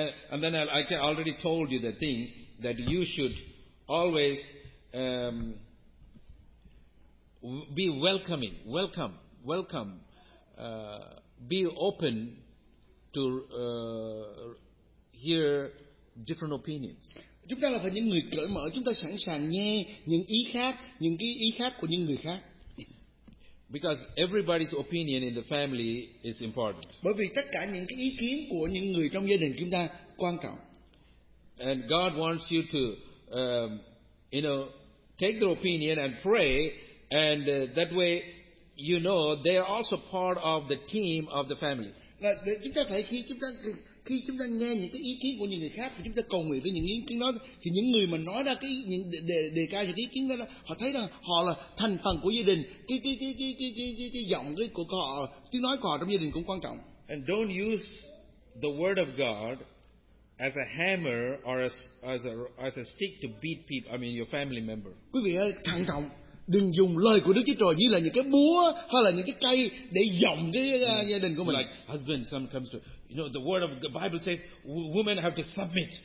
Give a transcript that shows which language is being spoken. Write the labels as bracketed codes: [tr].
[en] And then I already told you the thing that you should always be welcoming, welcome, be open to hear different opinions. [vi] Chúng ta là phải những người cởi mở, chúng ta sẵn sàng nghe những ý khác, những cái ý khác của những người khác. [en] Because everybody's opinion in the family is important. [vi] Bởi vì tất cả những cái ý kiến của những người trong gia đình chúng ta quan trọng. [en] And God wants you to, take their opinion and pray, and that way, they are also part of the team of the family. [vi] Chúng ta phải khi chúng ta nghe những cái ý kiến của những người khác thì chúng ta cầu nguyện với những ý kiến đó thì những người mà nói ra cái những đề cao những ý kiến đó họ thấy rằng họ là thành phần của gia đình cái giọng cái của họ tiếng nói của họ trong gia đình cũng quan trọng. [en] And don't use the word of God as a hammer or as a stick to beat people. I mean your family member. [vi] Quý vị ơi, thận trọng. Đừng dùng lời của Đức Chúa Trời như là những cái búa hay là những cái cây để giọng cái gia đình của mình. [en] Like husband, some comes to, the word of the Bible says, women have to submit.